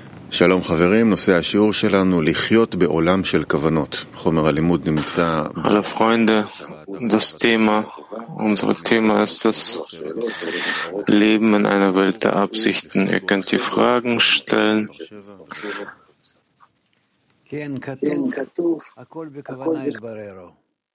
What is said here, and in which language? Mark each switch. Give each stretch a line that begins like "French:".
Hebrew: שלום חברים, נושא השיעור שלנו לחיות בעולם של כוונות. חומר הלימוד נמצא
German: Hallo Freunde, das Thema unseres Themas ist das Leben in einer Welt der Absichten. Ihr könnt die Fragen stellen.
Hebrew: כן כתוב, הכל בכוונה יתבררו.